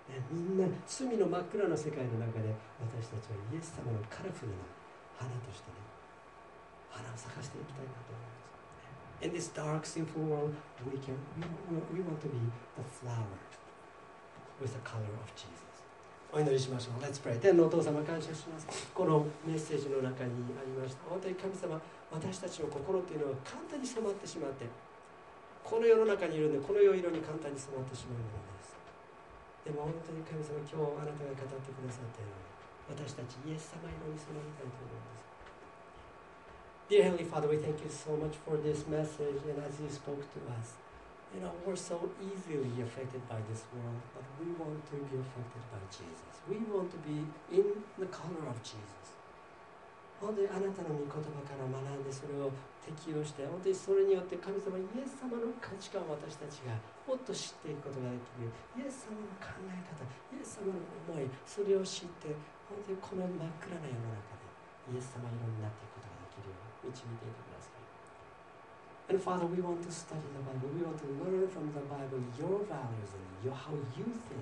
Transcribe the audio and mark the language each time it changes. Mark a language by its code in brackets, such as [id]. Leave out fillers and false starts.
[ja] みんな罪の真っ暗な世界の中で私たちはイエス様のカラフルな花としてね、花を咲かせていきたいなと思います。 [en] In this dark, sinful world, we want to be the flower with the color of Jesus. [ja] お祈りしましょう。 [en] Let's pray. [ja] 天のお父様、感謝します。このメッセージの中にありました。本当に神様、私たちの心というのは簡単に染まってしまって、この世の中にいるので、この世色に簡単に染まってしまうものです。でも本当に神様、今日あなたが語ってくださったように、私たちイエス様色に染まりたいと思います。 [en] Dear Heavenly Father, we thank you so much for this message and as you spoke to us. You know, we're so easily affected by this world, but we want to be affected by Jesus. We want to be in the color of Jesus. [ja] 本当にあなたの御言葉から学んでそれを適用して、本当にそれによって神様イエス様の価値観を私たちがもっと知っていくことができる、イエス様の考え方、イエス様の思い、それを知って本当にこの真っ暗な世の中でイエス様色になっていくことができるように導いていてください。 [en] And Father, we want to study the Bible. We want to learn from the Bible your values and how you think.